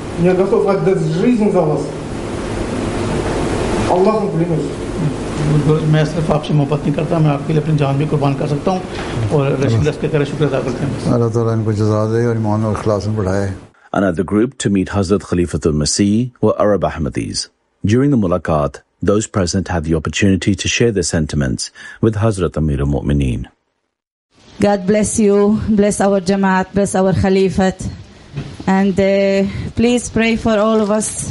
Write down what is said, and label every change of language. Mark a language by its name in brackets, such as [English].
[Russian] Я готов отдать жизнь за вас. Аллахом клянусь. Мы с вами [Urdu] محبت не کرتا میں آپ کے لیے اپنی جان بھی قربان کر سکتا ہوں اور رشید دس کے طرح شکر ادا کرتے ہیں اللہ تعالی ان کو جزا دے اور ایمان اور اخلاص بڑھائے. [English] Another group to meet Hazrat Khalifat al-Masih were Arab Ahmadis. During the mulaqat, those present had the opportunity to share their sentiments with Hazrat Amir al-Mu'mineen. God bless you, bless our Jamaat, bless our Khalifat. And please pray for all of us.